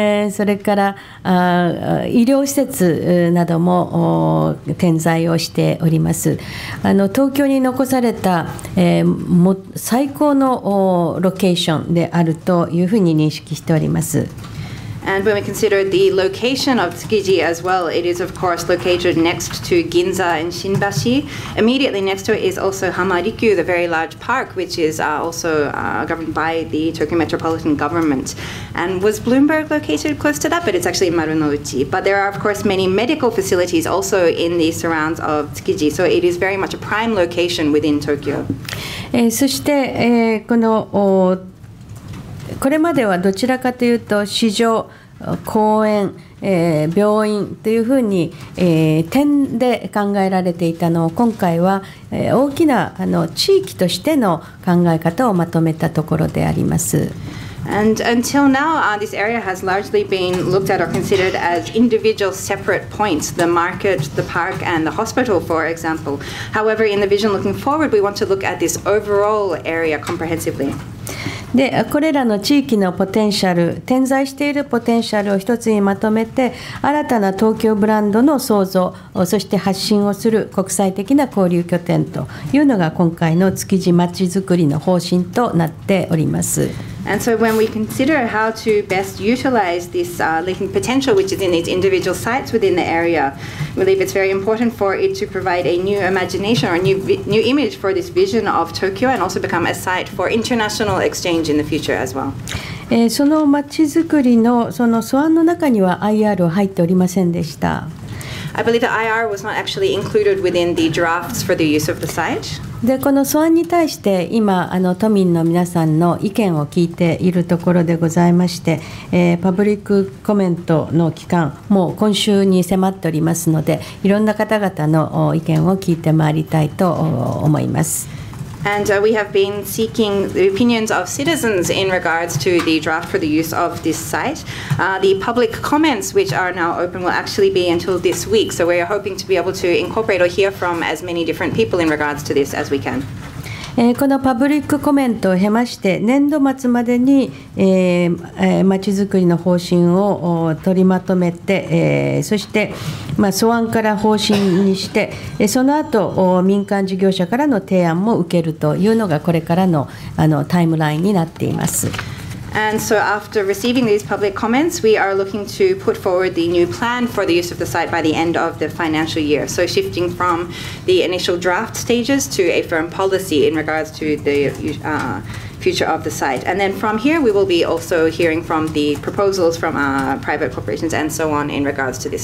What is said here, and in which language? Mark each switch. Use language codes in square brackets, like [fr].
[ja] それから医療施設なども点在をしております。あの東京に残された、最高のロケーションであるというふうに認識しております。 [en] And when we consider the location of Tsukiji as well, it is of course located next to Ginza and Shinbashi. Immediately next to it is also Hamarikyu, the very large park, which is also governed by the Tokyo Metropolitan Government. And was Bloomberg located close to that? But it's actually Marunouchi. But there are of course many medical facilities also in the surrounds of Tsukiji. So it is very much a prime location within Tokyo. [ja] そして、このこれまではどちらかというと市場、公園、病院というふうに、点で考えられていたのを、今回は、大きなあの地域としての考え方をまとめたところであります。 [en] And until now, this area has largely been looked at or considered as individual separate points, the market, the park, and the hospital, for example. However, in the vision looking forward, we want to look at this overall area comprehensively. [ja] で、これらの地域のポテンシャル、点在しているポテンシャルを一つにまとめて、新たな東京ブランドの創造、そして発信をする国際的な交流拠点というのが、今回の築地まちづくりの方針となっております。 [en] And so when we consider how to best utilize this latent potential which is in these individual sites within the area, I believe it's very important for it to provide a new imagination or a new image for this vision of Tokyo and also become a site for international exchange in the future as well. [ja] その街づくりのその素案の中には IR は入っておりませんでした。 [en] I believe the IR was not actually included within the drafts for the use of the site. [ja] でこの素案に対して今あの都民の皆さんの意見を聞いているところでございまして、パブリックコメントの期間もう今週に迫っておりますので、いろんな方々の意見を聞いてまいりたいと思います。 [en] And we have been seeking the opinions of citizens in regards to the draft for the use of this site. The public comments, which are now open, will actually be until this week. So we are hoping to be able to incorporate or hear from as many different people in regards to this as we can. [ja] このパブリックコメントを経まして、年度末までに、まちづくりの方針を取りまとめて、そして、まあ、素案から方針にして、その後民間事業者からの提案も受けるというのが、これからの、あのタイムラインになっています。 [en] And so after receiving these public comments, we are looking to put forward the new plan for the use of the site by the end of the financial year. So shifting from the initial draft stages to a firm policy in regards to the future of the site. And then from here, we will be also hearing from the proposals from private corporations and so on in regards to this.